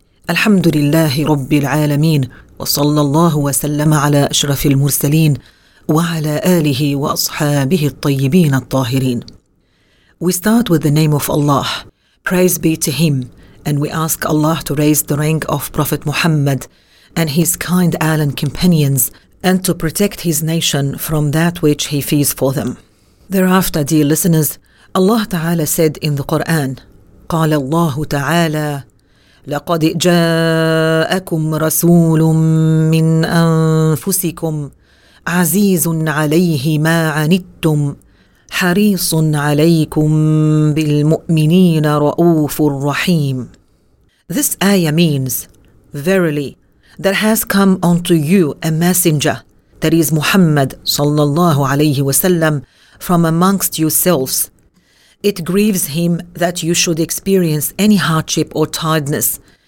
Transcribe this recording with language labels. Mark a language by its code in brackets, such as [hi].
[ar] الحمد لله رب العالمين وصلى الله وسلم على أشرف المرسلين وعلى آله وأصحابه الطيبين الطاهرين. [en] We start with the name of Allah. Praise be to Him. And we ask Allah to raise the rank of Prophet Muhammad and his kind allied companions and to protect his nation from that which he fears for them. Thereafter, dear listeners, Allah Ta'ala said in the Quran, [ar] قال الله تعالى لقد جاءكم رسول من أنفسكم عزيز عليه ما عنتم حريص عليكم بالمؤمنين رؤوف رحيم. [en] This ayah means, verily, there has come unto you a messenger, that is Muhammad sallallahu alayhi wasallam, from amongst yourselves. It grieves him that you should experience any hardship or tiredness.